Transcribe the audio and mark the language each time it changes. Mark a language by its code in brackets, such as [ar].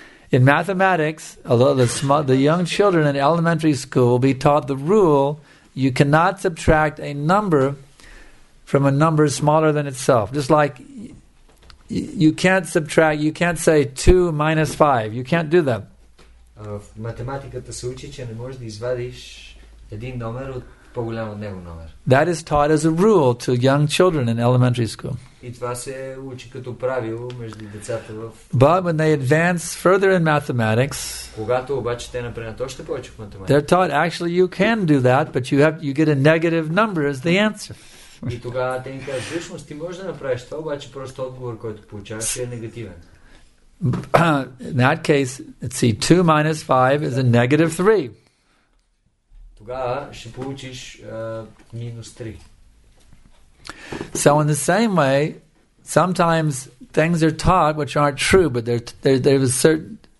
[en] In mathematics, although the young children in elementary school will be taught the rule, you cannot subtract a number from a number smaller than itself. Just like you can't subtract, you can't say 2 minus 5. You can't do that. [bg] В математиката се учи, че не можеш да извадиш един номер от по-голям от него номер. [en] That is taught as a rule to young children in elementary school. [bg] И това се учи като правило между децата в... [en] But when they advance further in mathematics, [bg] когато обаче те напреднат още повече в математика, [en] they're taught, actually you can do that, but you get a negative number as the answer. [bg] И тогава те ни кажат, всъщност ти можеш да направиш това, обаче просто отговор, който получаваш, е негативен. [en] In that case, let's see, 2 minus 5 is a negative 3. [bg] Тогава ще получиш минус 3. [en] So in the same way, sometimes things are taught which aren't true, but there was certain...